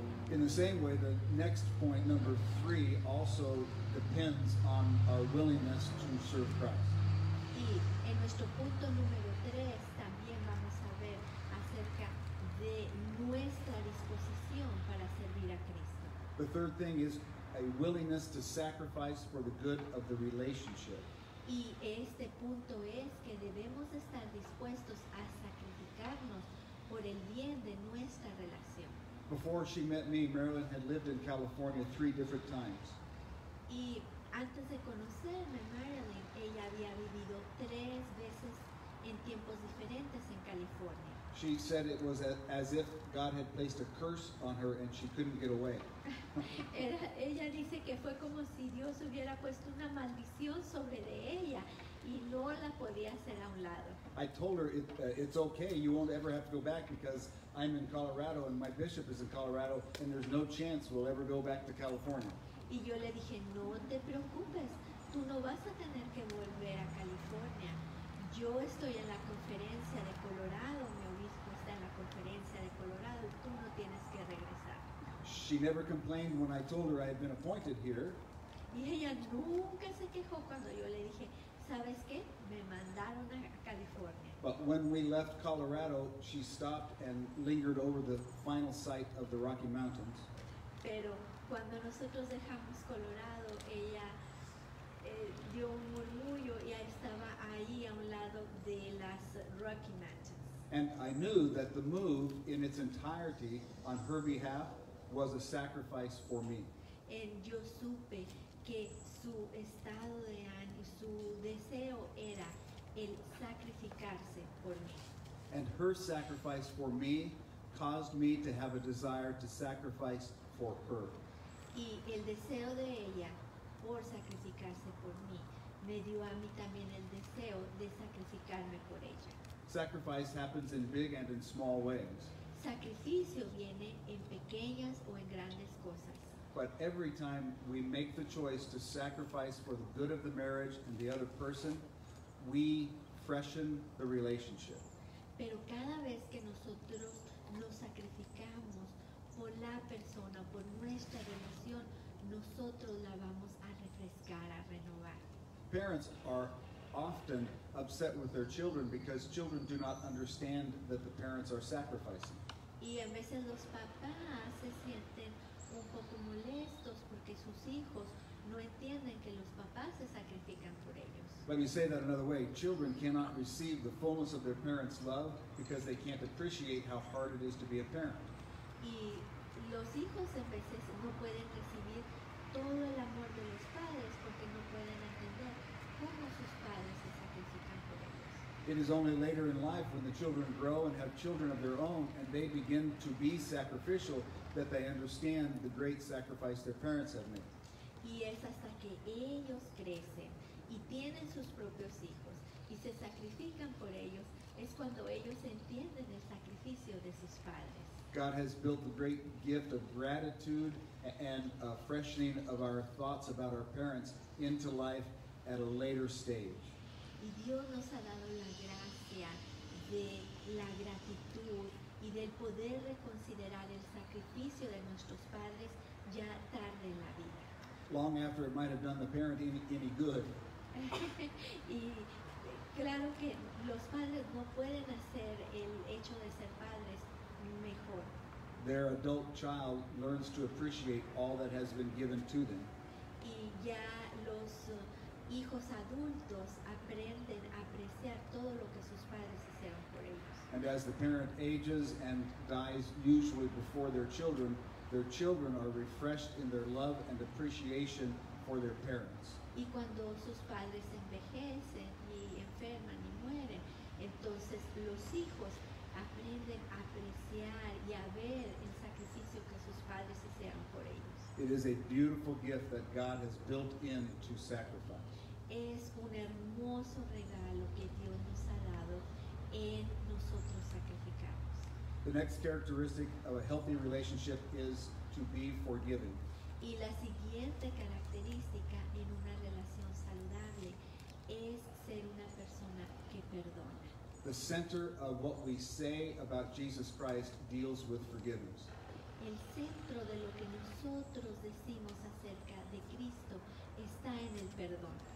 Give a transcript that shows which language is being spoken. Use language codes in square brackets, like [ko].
[en] In the same way, the next point, number three, also depends on our willingness to serve Christ. [es] Y en nuestro punto número tres también vamos a ver acerca de nuestra disposición para servir a Cristo. [en] The third thing is a willingness to sacrifice for the good of the relationship. [es] Y este punto es que debemos estar dispuestos a sacrificarnos por el bien de nuestra relación. [en] Before she met me, Marilyn had lived in California three different times. [es] Y antes de conocerme, Marilyn, ella había vivido tres veces en tiempos diferentes en California. [en] She said it was as if God had placed a curse on her and she couldn't get away. [es] Ella dice que fue como si Dios hubiera puesto una maldición sobre de ella y no la podía hacer a un lado. [en] I told her it's okay, you won't ever have to go back because I'm in Colorado and my bishop is in Colorado and there's no chance we'll ever go back to California. [es] Y yo le dije, no te preocupes, tú no vas a tener que volver a California. Yo estoy en la conferencia de Colorado, mi obispo está en la conferencia de Colorado, tú no tienes que regresar. [en] She never complained when I told her I had been appointed here. [es] Y ella nunca se quejó cuando yo le dije, ¿sabes qué? Me mandaron a California. [en] But when we left Colorado, she stopped and lingered over the final site of the Rocky Mountains. [es] Pero cuando nosotros dejamos Colorado, ella dio un murmullo y estaba ahí a un lado de las Rocky Mountains. [en] And I knew that the move in its entirety on her behalf was a sacrifice for me. And [es] yo supe que su estado de ánimo, su deseo era el sacrificarse por mí. [en] And her sacrifice for me caused me to have a desire to sacrifice for her. [es] Y el deseo de ella por sacrificarse por mí me dio a mí también el deseo de sacrificarme por ella. [en] Sacrifice happens in big and in small ways. [es] Sacrificio viene en pequeñas o en grandes cosas. [en] But every time we make the choice to sacrifice for the good of the marriage and the other person, we freshen the relationship. [es] Pero cada vez que nosotros nos sacrificamos por cada persona, por nuestra relación, nosotros la vamos a refrescar, a renovar. [en] Parents are often upset with their children because children do not understand that the parents are sacrificing. [es] Y a veces los papás se sienten un poco molestos porque sus hijos no entienden que los papás se sacrifican por ellos. [en] Let me say that another way. Children cannot receive the fullness of their parents' love because they can't appreciate how hard it is to be a parent. [es] Y los hijos a veces no pueden recibir todo el amor de los padres porque no pueden entender cómo sus padres se sacrifican por ellos. [en] It is only later in life when the children grow and have children of their own and they begin to be sacrificial that they understand the great sacrifice their parents have made. [es] Y es hasta que ellos crecen y tienen sus propios hijos y se sacrifican por ellos es cuando ellos entienden el sacrificio de sus padres. [en] God has built the great gift of gratitude and a freshening of our thoughts about our parents into life at a later stage. [es] Y Dios nos ha dado la gracia de la gratitud y del poder reconsiderar el sacrificio de nuestros padres ya tarde en la vida. [en] Long after it might have done the parent any good. [es] Y claro que los padres no pueden hacer el hecho de ser padres mejor. [en] Their adult child learns to appreciate all that has been given to them. [es] Y ya los hijos adultos aprenden a apreciar todo lo que sus padres hicieron por ellos. [en] And as the parent ages and dies usually before their children are refreshed in their love and appreciation for their parents. [es] Y cuando sus padres envejecen y enferman y mueren, entonces los hijos aprenden a apreciar y a ver el sacrificio que sus padres hicieron por ellos. [en] It is a beautiful gift that God has built in to sacrifice. [es] Es un hermoso regalo que Dios nos ha dado en nosotros sacrificarnos. [en] The next characteristic of a healthy relationship is to be forgiving. [es] Y la siguiente característica en una relación saludable es ser una persona que perdona. [en] The center of what we say about Jesus Christ deals with forgiveness. [es] El centro de lo que nosotros decimos acerca de Cristo está en el perdón.